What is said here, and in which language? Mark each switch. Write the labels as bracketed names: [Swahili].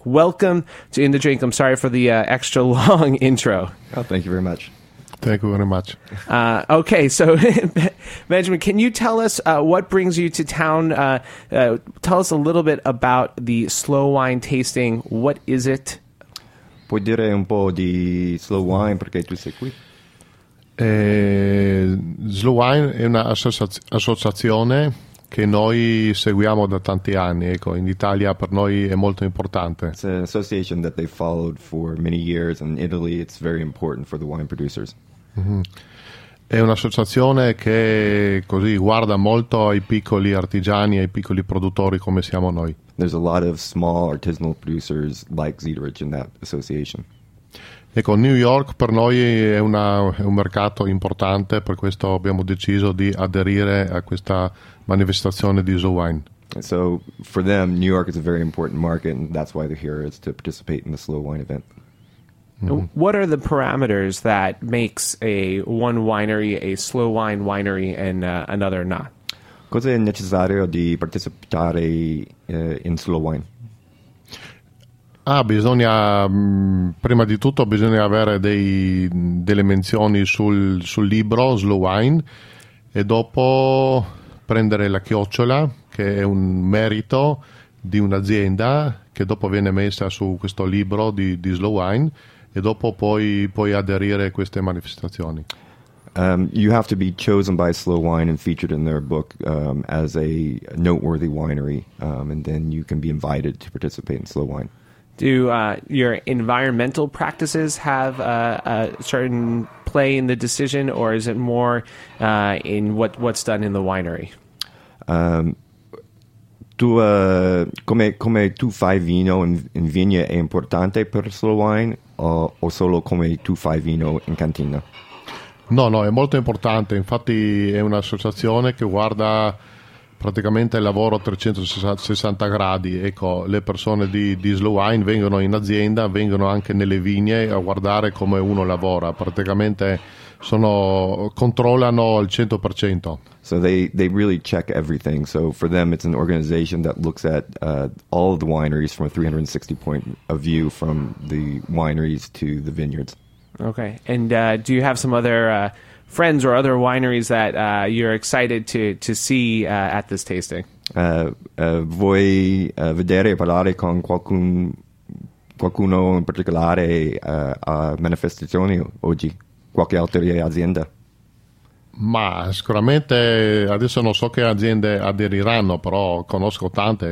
[English] Welcome to In the Drink. I'm sorry for the extra long intro. Oh, thank you very much. Thank you very much. Okay, so Benjamin, can you tell us what brings you to town? Tell us a little bit about the slow wine tasting. What is it? [Italian] Puoi dire un po' di slow wine perché tu sei qui? Slow wine è un'associazione che noi seguiamo da tanti anni. Ecco, in Italia per noi è molto importante. [English] It's an association that they followed for many years, and in Italy it's very important for the wine producers. Mm-hmm. [Italian] È un'associazione che così guarda molto ai piccoli artigiani, ai piccoli produttori come siamo noi. [English] There's a lot of small artisanal producers like Zidarich in that association. [Italian] Ecco, New York per noi è un mercato importante, per questo abbiamo deciso di aderire a questa manifestazione di Slow Wine. [English] So, for them, New York is a very important market, and that's why they're here, is to participate in the Slow Wine event. Mm-hmm. What are the parameters that makes a one winery a Slow Wine winery and another not? [Italian] Cosa è necessario di partecipare in Slow Wine? Ah, bisogna, prima di tutto bisogna avere delle menzioni sul libro Slow Wine e dopo prendere la chiocciola, che è un merito di un'azienda, che dopo viene messa su questo libro di Slow Wine e dopo puoi aderire a queste manifestazioni. [English] You have to be chosen by Slow Wine and featured in their book as a noteworthy winery, and then you can be invited to participate in Slow Wine. Do your environmental practices have a certain play in the decision, or is it more in what's done in the winery? [Italian] Come tu fai vino in vigna è importante per Slow Wine, o solo come tu fai vino in cantina? No, è molto importante. Infatti è un'associazione che guarda praticamente il lavoro a 360 gradi. Ecco, le persone di Slow Wine vengono in azienda, vengono anche nelle vigne a guardare come uno lavora. Praticamente controllano al 100%. [English] So they really check everything. So for them it's an organization that looks at all of the wineries from a 360 point of view, from the wineries to the vineyards. Okay, and do you have some other friends or other wineries that you're excited to see at this tasting? [Italian] Vuoi vedere e parlare con qualcuno in particolare a manifestazioni oggi? Qualche altra azienda? Ma sicuramente adesso non so che aziende aderiranno, però conosco tante.